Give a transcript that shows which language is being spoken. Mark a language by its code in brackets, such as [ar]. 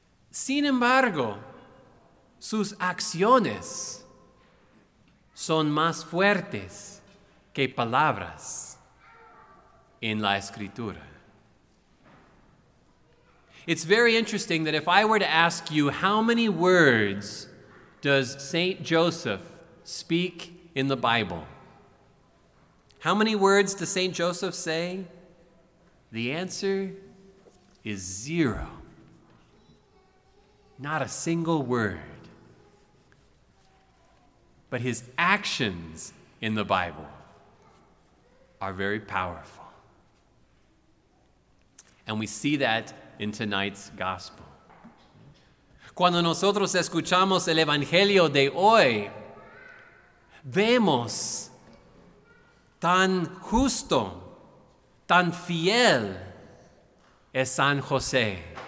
[es] Sin embargo, sus acciones son más fuertes que palabras en la Escritura. [en] It's very interesting that if I were to ask you how many words does Saint Joseph speak in the Bible? How many words does Saint Joseph say? The answer is zero. Not a single word. But his actions in the Bible are very powerful. And we see that in tonight's gospel. [es] Cuando nosotros escuchamos el Evangelio de hoy, vemos tan justo, tan fiel es San José.